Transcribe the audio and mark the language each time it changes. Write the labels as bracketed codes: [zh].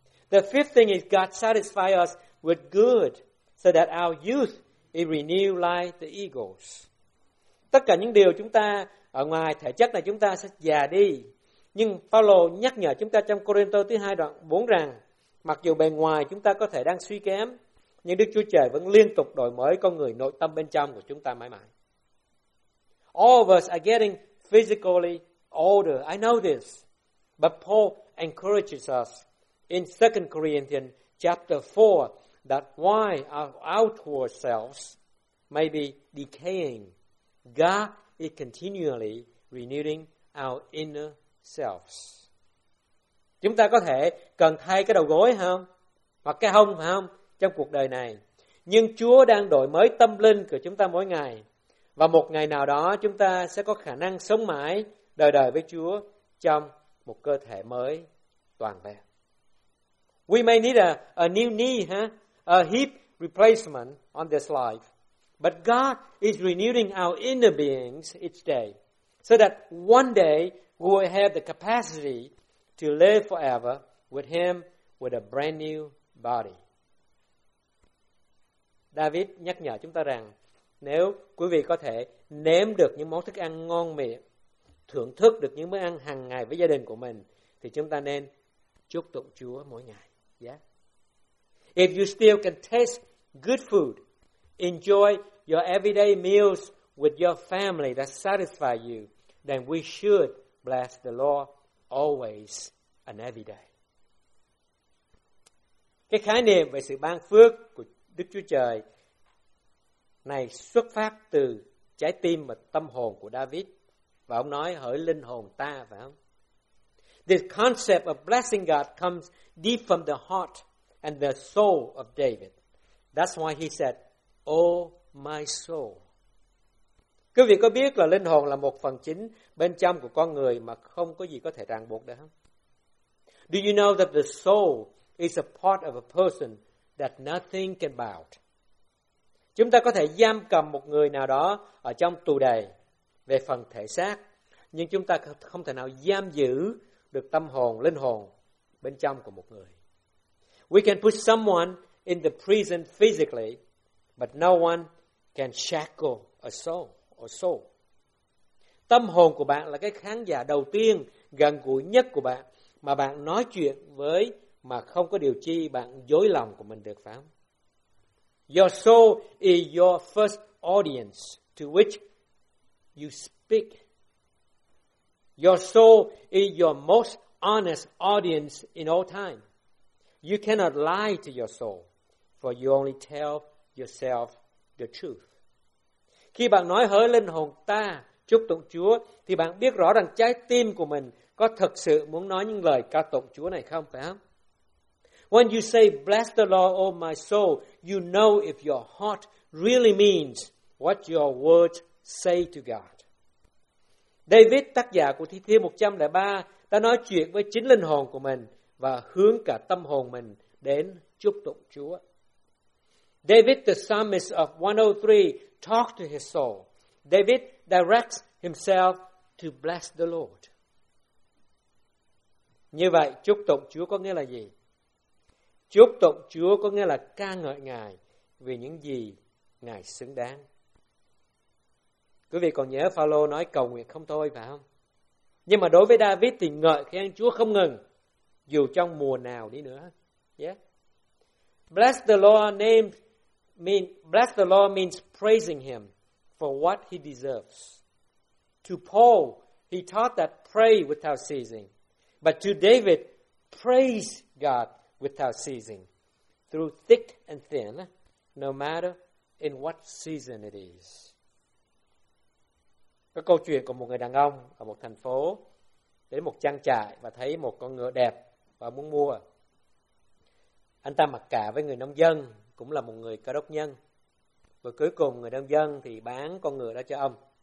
[en] The fifth thing is God satisfies us with good so that our youth is renewed like the eagles. [vi] Tất cả những điều chúng ta ở ngoài thể chất là chúng ta sẽ già đi. Nhưng Paulo nhắc nhở chúng ta trong Corinto thứ 2 đoạn 4 rằng mặc dù bề ngoài chúng ta có thể đang suy kém, nhưng Đức Chúa Trời vẫn liên tục đổi mới con người nội tâm bên trong của chúng ta mãi mãi. [en] All of us are getting physically older. I know this. But Paul encourages us in 2 Corinthians chapter 4 that while our outward selves may be decaying, God is continually renewing our inner selves. [vi] Chúng ta có thể cần thay cái đầu gối không? Hoặc cái hông phải không? Trong cuộc đời này. Nhưng Chúa đang đổi mới tâm linh của chúng ta mỗi ngày. Và một ngày nào đó chúng ta sẽ có khả năng sống mãi đời đời với Chúa trong một cơ thể mới toàn vẹn. [en] We may need a new knee, huh? A hip replacement on this life. But God is renewing our inner beings each day so that one day we will have the capacity to live forever with Him with a brand new body. [vi] David nhắc nhở chúng ta rằng Nếu quý vị có thể nếm được những món thức ăn ngon miệng, thưởng thức được những món ăn hàng ngày với gia đình của mình, thì chúng ta nên chúc tụng Chúa mỗi ngày. [en] Yeah. If you still can taste good food, enjoy your everyday meals with your family that satisfy you, then we should bless the Lord always and every day. [vi] Cái khái niệm về sự ban phước của Đức Chúa Trời này xuất phát từ trái tim và tâm hồn của David. Và ông nói, hỡi linh hồn ta, phải không? [en] This concept of blessing God comes deep from the heart and the soul of David. That's why he said, O my soul. [vi] Quý vị có biết là linh hồn là một phần chính bên trong của con người mà không có gì có thể ràng buộc được không? [en] Do you know that the soul is a part of a person that nothing can bound? [vi] Chúng ta có thể giam cầm một người nào đó ở trong tù đày về phần thể xác, nhưng chúng ta không thể nào giam giữ được tâm hồn, linh hồn bên trong của một người. [en] We can put someone in the prison physically, but no one can shackle a soul. [vi] Tâm hồn của bạn là cái khán giả đầu tiên gần gũi nhất của bạn mà bạn nói chuyện với mà không có điều chi bạn dối lòng của mình được, phải không? [en] Your soul is your first audience to which you speak. Your soul is your most honest audience in all time. You cannot lie to your soul, for you only tell yourself the truth. [vi] Khi bạn nói hỡi linh hồn ta, chúc tụng Chúa, thì bạn biết rõ rằng trái tim của mình có thực sự muốn nói những lời ca tụng Chúa này không, phải không? [en] When you say, bless the Lord, O my soul, you know if your heart really means what your words say to God. [vi] David, tác giả của Thi Thiên 103, đã nói chuyện với chính linh hồn của mình và hướng cả tâm hồn mình đến chúc tụng Chúa. [en] David, the psalmist of 103, talk to his soul. David directs himself to bless the Lord. [vi] Như vậy, chúc tụng Chúa có nghĩa là gì? Chúc tụng Chúa có nghĩa là ca ngợi Ngài vì những gì Ngài xứng đáng. Quý vị còn nhớ Phaolô nói cầu nguyện không thôi, phải không? Nhưng mà đối với David thì ngợi khen Chúa không ngừng, dù trong mùa nào đi nữa. [en] Yeah. Bless the Lord name mean bless the Lord means praising him for what he deserves. To Paul, he taught that pray without ceasing. But to David, praise God without ceasing, through thick and thin, no matter in what season it is. [vi] Có câu chuyện của một người đàn ông ở một thành phố đến một trang trại và thấy một con ngựa đẹp và muốn mua. Anh ta mặc cả với người nông dân, cũng là một người Cơ Đốc nhân. Và cuối cùng người nông dân thì bán con ngựa đó cho ông.